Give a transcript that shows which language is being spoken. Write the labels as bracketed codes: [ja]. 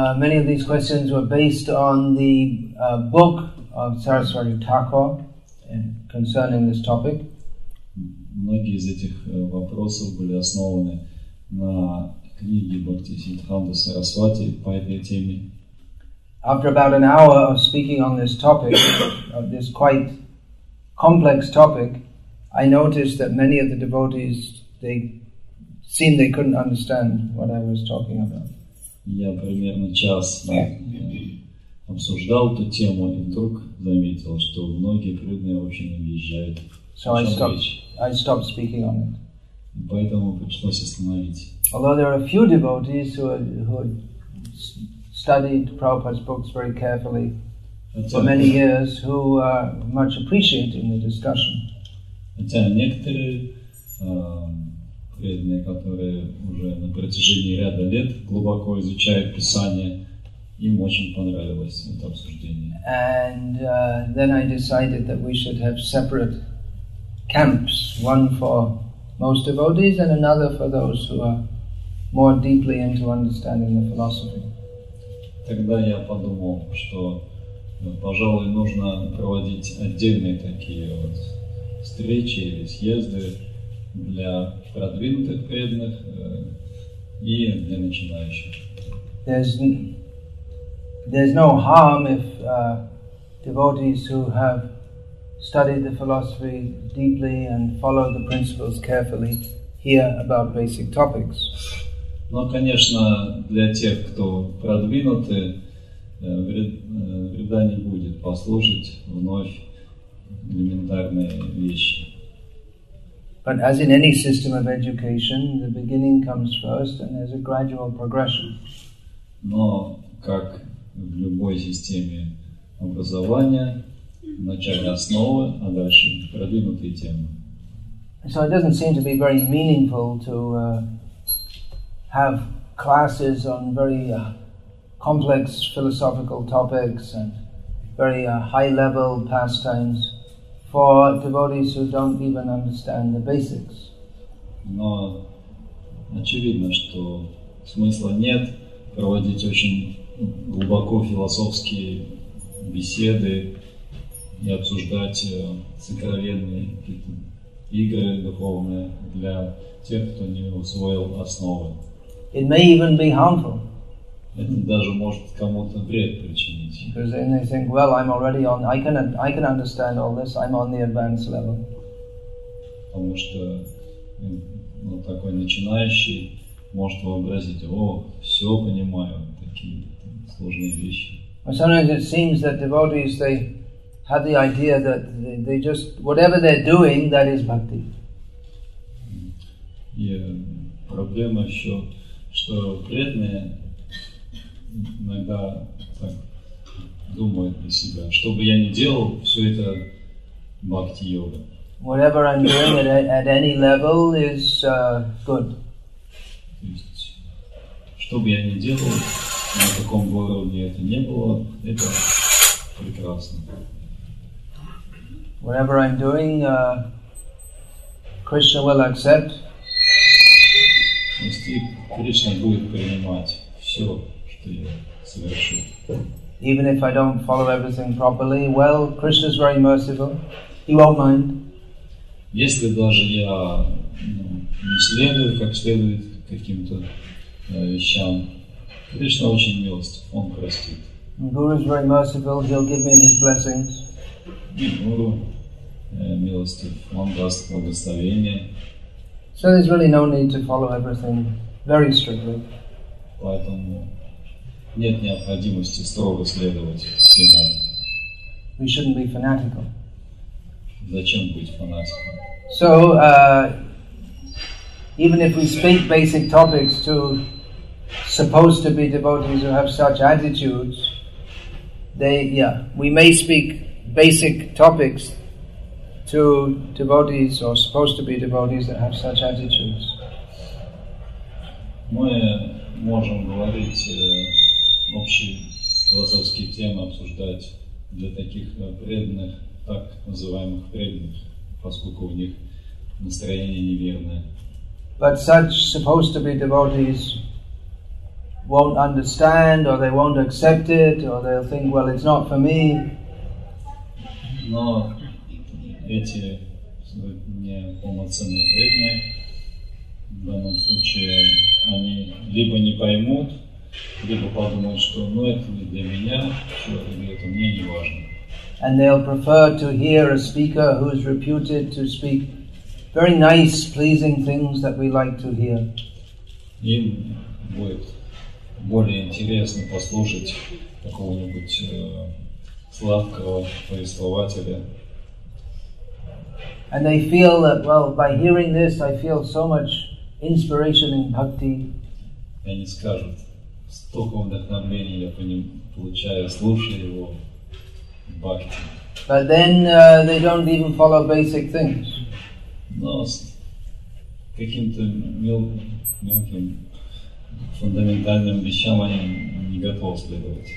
[en] Many of these questions were based on the book of Saraswati Thakur concerning this topic. [ru] Многие из этих вопросов были основаны на книге Бхактисиддханта Сарасвати по этой теме. [en] After about an hour of speaking on this topic, of this quite complex topic, I noticed that many of the devotees, they seemed they couldn't understand what I was talking about. [ru] Я примерно час обсуждал эту тему и вдруг заметил, что многие преданные вообще не въезжают. [en] So I stopped speaking on it. [ru] Поэтому пришлось остановить. [en] Although there are a few devotees who studied Prabhupada's books very carefully for many years, who are much appreciating the discussion. [ru] Хотя некоторые преданные, которые уже на протяжении ряда лет глубоко изучают Писание, им очень понравилось это обсуждение. [en] And then I decided that we should have separate camps, one for most devotees and another for those who are more deeply into understanding the philosophy. [ru] Тогда я подумал, что, пожалуй, нужно проводить отдельные такие вот встречи или съезды для продвинутых преданных и для начинающих. [en] There's no harm if devotees who have studied the philosophy deeply and followed the principles carefully hear about basic topics. [ru] Но, конечно, для тех, кто продвинуты, вреда не будет послушать вновь элементарные вещи. [en] But as in any system of education, the beginning comes first and there's a gradual progression. [ru] Но как в любой системе образования, начальные основы, а дальше продвинутые темы. [en] So it doesn't seem to be very meaningful to have classes on very complex philosophical topics and very high-level pastimes for devotees who don't even understand the basics. [ru] Но очевидно, что смысла нет проводить очень глубоко философские беседы и обсуждать сокровенные какие-то игры духовные для тех, кто не усвоил основы. [en] It may even be harmful. [ru] Это даже может кому-то вред причинить. [en] Because then they think, well, I'm already on, I can understand all this, I'm on the advanced level. [ru] Потому что ну, такой начинающий может вообразить, о, все понимаю, такие сложные вещи. [en] But sometimes it seems that devotees, they have the idea that they just, whatever they're doing, that is bhakti. [ru] И проблема еще, что преданные иногда так думают для себя, что бы я ни делал, все это бхакти-йога. [en] Whatever I'm doing at any level is good. [ru] То есть, что бы я ни делал, на каком бы уровне это ни было, это прекрасно. [en] Whatever I'm doing, Krishna will accept. [ru] Если Кришна будет принимать все, что я совершу. [en] Even if I don't follow everything properly, well, Krishna is very merciful. He won't mind. [ru] Если даже я не следую как следует каким-то вещам, Кришна очень милостив, он простит. [en] Guru is very merciful, he'll give me his blessings. [ru] Guru милостив, он даст благословение. [en] So there's really no need to follow everything very strictly. [ru] Поэтому нет необходимости строго следовать всему. [en] We shouldn't be fanatical. [ru] Зачем быть фанатиком? [en] So, even if we speak basic topics to supposed to be devotees who have such attitudes, we may speak basic topics to devotees or supposed to be devotees that have such attitudes. [ru] Мы можем говорить общие философские темы, обсуждать для таких преданных, так называемых преданных, поскольку у них настроение неверное. [en] But such supposed to be devotees won't understand, or they won't accept it, or they'll think, well, it's not for me. [ru] Но эти неполноценные преданные, в данном случае, они либо не поймут, либо подумают, что ну это не для меня, что это мне не важно. [en] And they'll prefer to hear a speaker who is reputed to speak very nice, pleasing things that we like to hear. [ru] Им будет более интересно послушать какого-нибудь сладкого повествователя. [en] And they feel that, well, by hearing this, I feel so much inspiration in bhakti. [ru] И они скажут, столько вдохновения я по ним получаю, слушая его в бхакти. [en] But then they don't even follow basic things. [ru] Но с каким-то мелким фундаментальным вещам они не готовы следовать.